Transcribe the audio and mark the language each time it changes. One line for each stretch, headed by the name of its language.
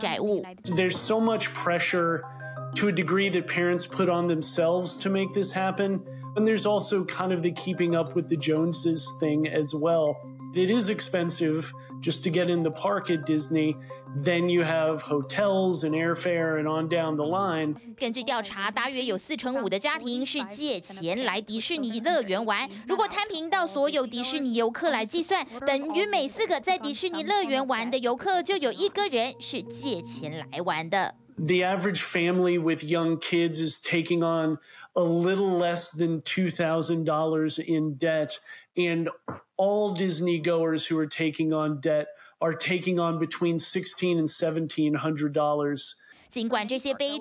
English: There's so much pressure to a degree that parents put on themselves to make this happen. And there's also kind of the keeping up with the Joneses thing as well. It is expensive just to get in the park at Disney. Then you have hotels and airfare and on down the line.
Chinese: 根据调查，大约有四成五的家庭是借钱来迪士尼乐园玩。如果摊平到所有迪士尼游客来计算，等于每四个在迪士尼乐园玩的游客就有一个人是借钱来玩的。
English: The average family with young kids is taking on a little less than $2,000 in debt, and all Disney goers who are taking on debt are taking on between $1,600 and $1,700.